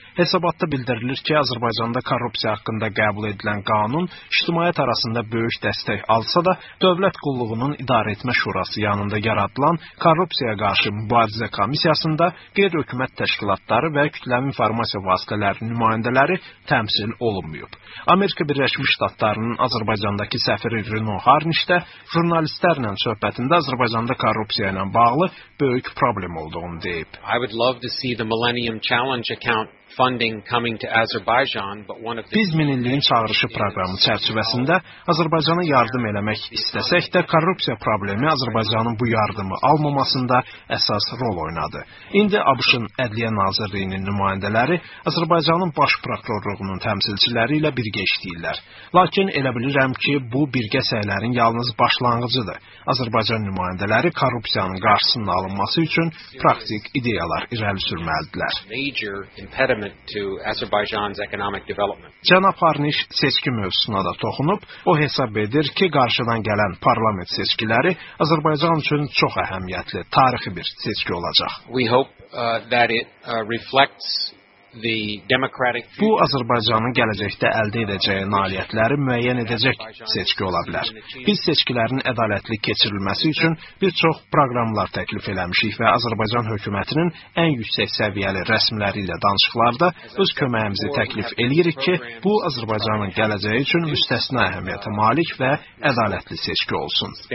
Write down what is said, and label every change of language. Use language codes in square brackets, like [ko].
[az] Hesabatda bildirilir ki, Azərbaycanda korrupsiya haqqında qəbul edilən qanun ictimaiyyət arasında böyük dəstək alsa da, Dövlət Qulluğunun İdarə Etmə Şurası yanında yaradılan Korrupsiyaya Qarşı Mübarizə Komissiyasında qeyri-hökumət təşkilatları və kütləvi informasiya vasitələrinin nümayəndələri təmsil olunmayıb. Amerika Birləşmiş Ştatlarının Azərbaycandakı səfiri Rino Harnişdə jurnalistlərlə söhbətində Azərbaycanda korrupsiya ilə bağlı böyük problem olduğunu deyib. [en] I would love to see the Millennium Challenge account funding coming to Azerbaijan, but one of the [az] Biz Minilliyin çağırışı proqramı çərçivəsində Azərbaycana yardım eləmək istəsək də korrupsiya problemi Azərbaycanın bu yardımı almamasında əsas rol oynadı. İndi ABŞ-ın Ədliyyə Nazirliyinin nümayəndələri Azərbaycanın Baş Prokurorluğunun təmsilçiləri ilə birgə işləyirlər. Lakin elə bilirəm ki, bu birgə səylərin yalnız başlanğıcıdır. Azərbaycan nümayəndələri korrupsiyanın qarşısının alınması üçün praktik ideyalar irəli sürməlidirlər. [en] To Azerbaijan's economic development. [az] Cənab Harnish seçki mövzusuna da toxunub, o hesab edir ki, qarşıdan gələn parlament seçkiləri Azərbaycan üçün çox əhəmiyyətli, tarixi bir seçki olacaq. [en] We hope that it reflects [az] Bu, Azərbaycanın gələcəkdə əldə edəcəyi nailiyyətləri müəyyən edəcək seçki ola bilər. Biz seçkilərin ədalətli keçirilməsi üçün bir çox proqramlar təklif eləmişik və Azərbaycan hökumətinin ən yüksək səviyyəli rəsmiləri ilə danışıqlarda öz köməyimizi təklif eləyirik ki, bu, Azərbaycanın gələcəyi üçün müstəsna əhəmiyyətə malik və ədalətli seçki olsun.